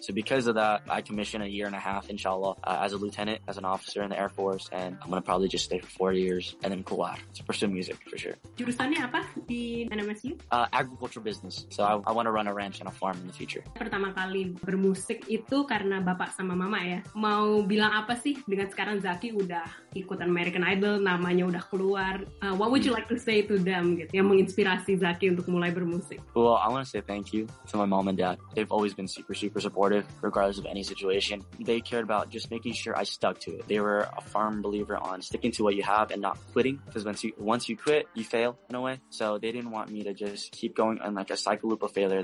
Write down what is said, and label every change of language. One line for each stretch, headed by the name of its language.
English: So because of that, I commission a year and a half, inshallah, as a lieutenant, as an officer in the Air Force, and I'm going to probably just stay for 4 years and then
Indonesian: keluar
English: to pursue music, for sure.
Indonesian: Jurusannya apa di NMSU?
English: Agricultural business. So I want to run a ranch and a farm in the future.
Indonesian: Pertama kali bermusik itu karena bapak sama mama ya. Mau bilang apa sih dengan sekarang Zaki udah ikutan American Idol, namanya udah keluar.
English: What would you like to say to them
Indonesian: gitu, yang menginspirasi Zaki untuk mulai bermusik?
English: Well, I want to say thank you to my mom and dad. They've always been super, super supportive regardless of any situation. They cared about just making sure I stuck to it. They were a firm believer on sticking to what you have and not quitting, because once you quit, you fail in a way. So they didn't want me to just keep going in like a cycle loop of failure.